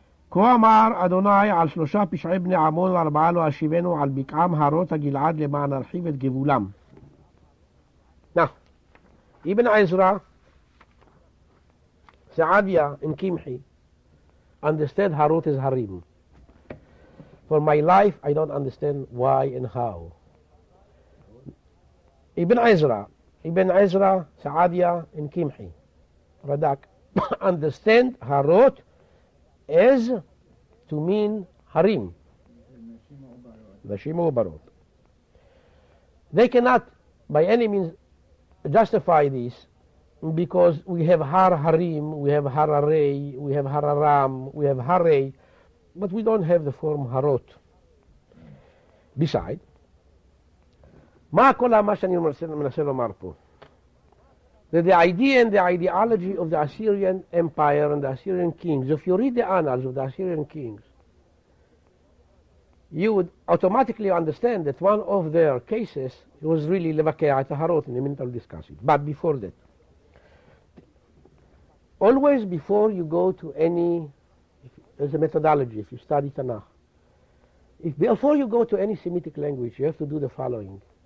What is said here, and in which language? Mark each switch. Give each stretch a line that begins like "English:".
Hebrew: כה אמר אדוני על שלושה פשעי בני עמון וארבעה לא אשיבנו על בקעם הרות הגלעד למען ארחיב את גבולם.
English: אבן עזרא, סעדיה וקמחי, understand הרות as הרים. For my life, I don't understand why and how. Ibn Ezra, Saadia, and Kimchi, Radak, understand Harot as to mean Harim. Vashim Ubarot. They cannot by any means justify this because we have Har Harim, we have Hararei, we have Hararam, we have Harei, but we don't have the form Harot.
Hebrew: Beside, מה כל מה שאני מנסה לומר פה?
English: That the idea and the ideology of the Assyrian Empire and the Assyrian kings, if you read the annals of the Assyrian kings, you would automatically understand that one of their cases was really Levakea at Harot, in a minute I'll discuss it. But before that, always before you go to any, there's a methodology if you study Tanakh, if before you go to any Semitic language, you have to do the following.